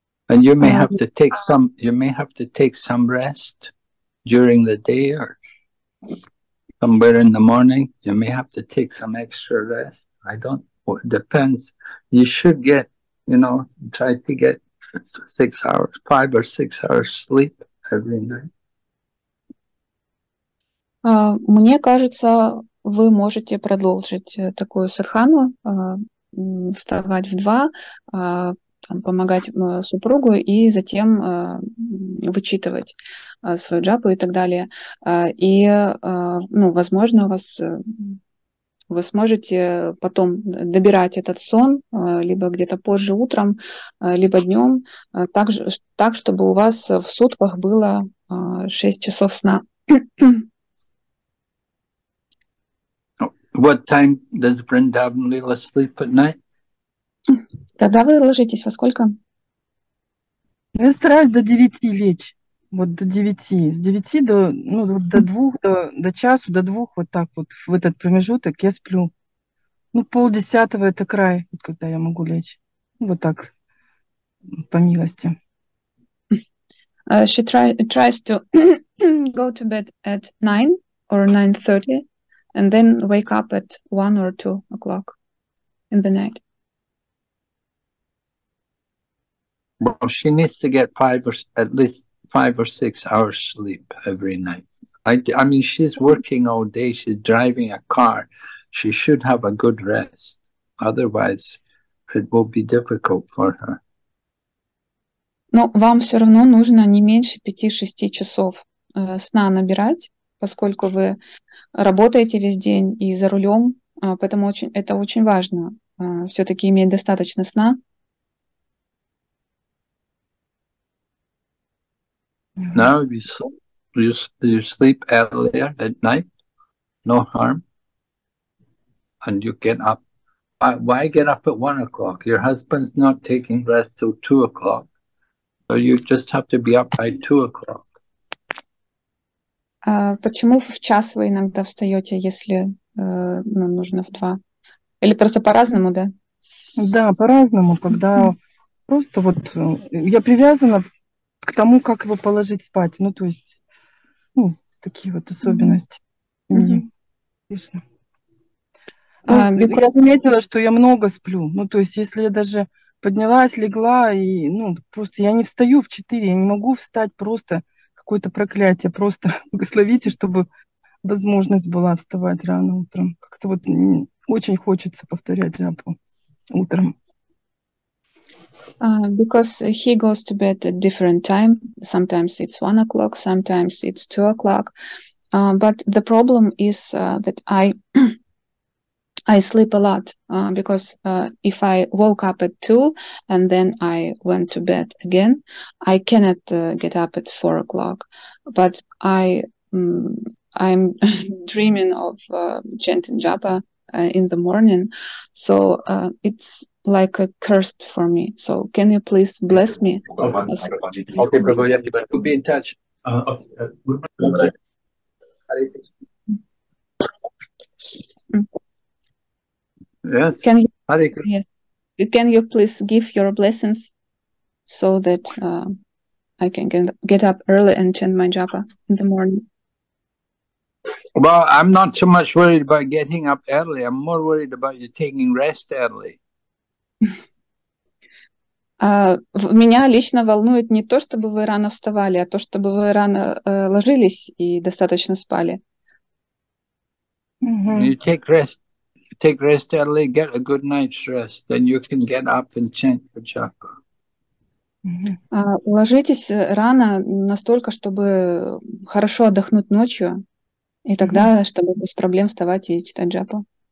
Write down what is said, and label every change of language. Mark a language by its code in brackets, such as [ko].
[en] And you may have to take some. You may have to take some rest during the day or somewhere in the morning. You may have to take some extra rest. I don't. It depends. You should get. You know, try to get 6 hours, 5 or 6 hours sleep. [ru] Мне кажется, вы можете продолжить такую садхану, вставать в два, там, помогать супругу и затем вычитывать свою джапу и так далее. И, ну, возможно, вы сможете потом добирать этот сон, либо где-то позже утром, либо днем, так, чтобы у вас в сутках было 6 часов сна. [en] What time does Vrindavan Lila sleep at night? [ru] Когда вы ложитесь, во сколько? Я стараюсь до 9 лечь. Вот до 9. С 9 до, ну, до 2, до часу, до 2, вот так вот, в этот промежуток я сплю. Ну, 9:30 это край, вот когда я могу лечь. Вот так, по милости. [en] She tries to go to bed at 9 or 9:30 and then wake up at 1 or 2 o'clock in the night. Well, she needs to get at least five or six hours sleep every night. I mean, she's working all day. She's driving a car. She should have a good rest. Otherwise, it will be difficult for her. [ru] Но вам все равно нужно не меньше 5-6 часов сна набирать, поскольку вы работаете весь день и за рулем. Поэтому это очень важно все-таки иметь достаточно сна. [en] Now you sleep earlier at night, no harm, and you get up Why get up at 1 o'clock? Your husband's not taking rest till 2 o'clock. So you just have to be up by 2 o'clock. [ru] Почему в час вы иногда встаете, если ну, нужно в два? Или просто по-разному, да? Да, по-разному, когда просто вот я привязана к тому, как его положить спать. Ну, то есть, ну, такие вот особенности. Я заметила, что я много сплю. Ну, то есть, если я даже поднялась, легла, и, ну, просто я не встаю в 4, я не могу встать, просто какое-то проклятие, просто благословите, чтобы возможность была вставать рано утром. Как-то вот очень хочется повторять джапу утром. [en] Because he goes to bed at different time. Sometimes it's 1 o'clock, sometimes it's 2 o'clock. But the problem is that I sleep a lot because if I woke up at 2 and then I went to bed again, I cannot get up at 4 o'clock. But I'm dreaming of chanting japa in the morning, so it's like a curse for me. So can you please bless me? Okay, Prabhu, yeah, but we'll be in touch. Yes. Can you, Hare Krishna. Yeah. Can you please give your blessings so that I can get up early and chant my japa in the morning? Well, I'm not so much worried about getting up early. I'm more worried about you taking rest early. [ru] Меня лично волнует не то, чтобы вы рано вставали, а то, чтобы вы рано ложились и достаточно спали. Mm-hmm. [en] You take rest early, get a good night's rest, then you can get up and chant the japa. [ru] Ложитесь рано настолько, чтобы хорошо отдохнуть ночью, и тогда, чтобы без проблем вставать и читать джапу.